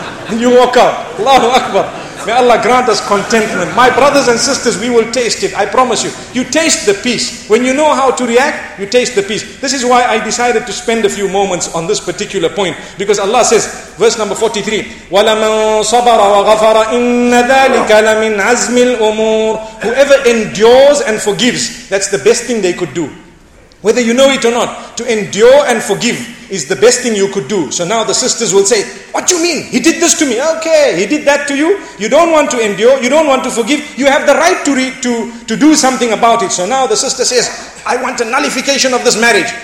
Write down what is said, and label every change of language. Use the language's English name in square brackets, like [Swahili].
[English] And you walk out. Allahu Akbar. May Allah grant us contentment. My brothers and sisters, we will taste it. I promise you. You taste the peace. When you know how to react, you taste the peace. This is why I decided to spend a few moments on this particular point. Because Allah says, verse number 43, [Arabic] وَلَمَنْ صَبَرَ وَغَفَرَ إِنَّ ذَلِكَ لَمِنْ عَزْمِ الْأُمُورِ. [English] Whoever endures and forgives, that's the best thing they could do. Whether you know it or not, to endure and forgive is the best thing you could do. So now the sisters will say, what do you mean? He did this to me. Okay, he did that to you. You don't want to endure. You don't want to forgive. You have the right to do something about it. So now the sister says, I want a nullification of this marriage.